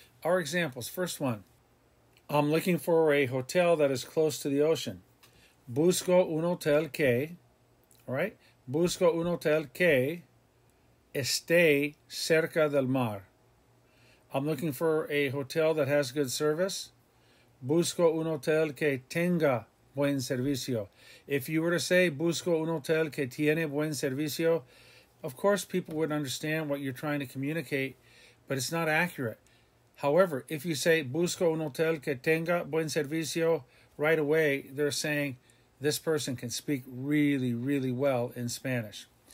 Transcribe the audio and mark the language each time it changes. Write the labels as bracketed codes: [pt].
[en] Our examples, first one. I'm looking for a hotel that is close to the ocean. [es] Busco un hotel que, [en] all right? [es] Busco un hotel que esté cerca del mar. [en] I'm looking for a hotel that has good service. [es] Busco un hotel que tenga buen servicio. [en] If you were to say, [es] busco un hotel que tiene buen servicio, [en] of course people would understand what you're trying to communicate, but it's not accurate. However, if you say, [es] busco un hotel que tenga buen servicio, [en] right away, they're saying, this person can speak really, really well in Spanish.